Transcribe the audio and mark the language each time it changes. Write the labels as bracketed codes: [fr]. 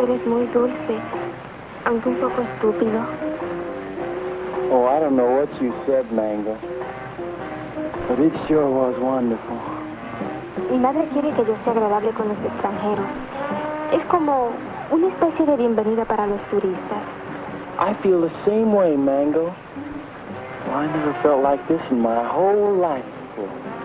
[es] Tú eres muy dulce, aunque un poco estúpido. [en] Oh, I don't know what you said, Mango. But it sure was wonderful. [es] Mi madre quiere que yo sea agradable con los extranjeros. Es como una especie de bienvenida para los turistas. [en] I feel the same way, Mango. Well, I never felt like this in my whole life before.